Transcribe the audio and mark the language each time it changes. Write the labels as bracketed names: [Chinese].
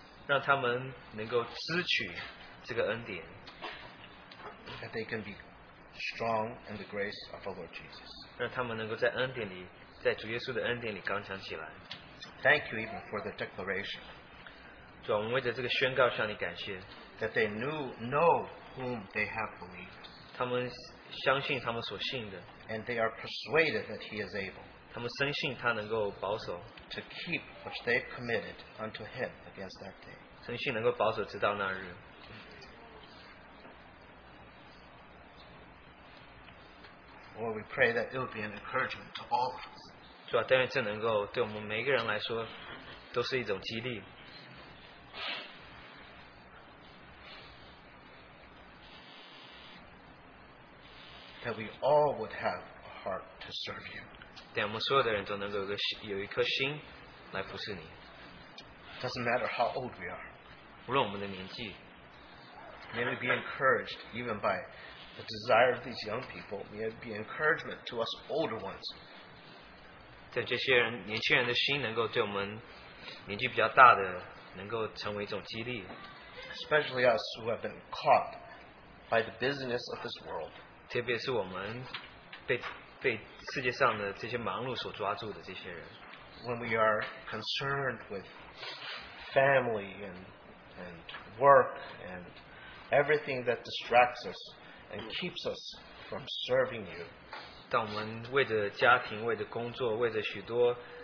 [Chinese] 让他们能够支取这个恩典。 [English] That they can be strong in the grace of our Lord Jesus. [Chinese] 让他们能够在主耶稣的恩典里刚强起来。 [English] Thank you even for the declaration. [Chinese] 主啊，我们为着这个宣告向你感谢。 [English] That they know whom they have believed. [Chinese] 他们相信他们所信的。 [English] And they are persuaded that he is able. [Chinese] 他们深信他能够保守。 [English] To keep which they committed unto him against that day. [Chinese] 深信能够保守直到那日。 [English] Lord, we pray that it will be an encouragement to all of us. [Chinese] 主啊，但愿这能够对我们每个人来说都是一种激励。 [English] That we all would have a heart to serve you. [Chinese] 对，我们所有的人都能够有一颗心来服侍你。 [English] Doesn't matter how old we are. [Chinese] 无论我们的年纪。 [English] May we be encouraged even by the desire of these young people. May it be encouragement to us older ones. [Chinese] 对这些人，年轻人的心能够对我们年纪比较大的。 [English] Especially us who have been caught by the busyness of this world. When we are concerned with family and work and everything that distracts us and keeps us from serving you. [Chinese] 当我们为着家庭、为着工作、为着许多